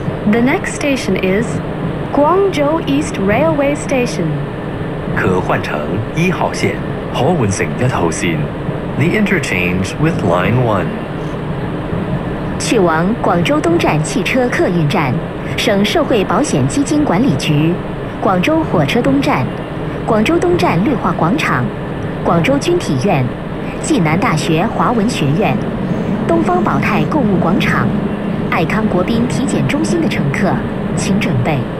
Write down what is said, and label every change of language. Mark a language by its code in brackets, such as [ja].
[en] The next station is 广州 East Railway Station. [zh] 可换乘一号线，可换乘一号线。 [en] The interchange with Line 1. [zh] 去往广州东站汽车客运站，省社会保险基金管理局，广州火车东站，广州东站绿化广场、广州军体院、暨南大学华文学院、东方宝泰购物广场、爱康国宾体检中心的乘客，请准备。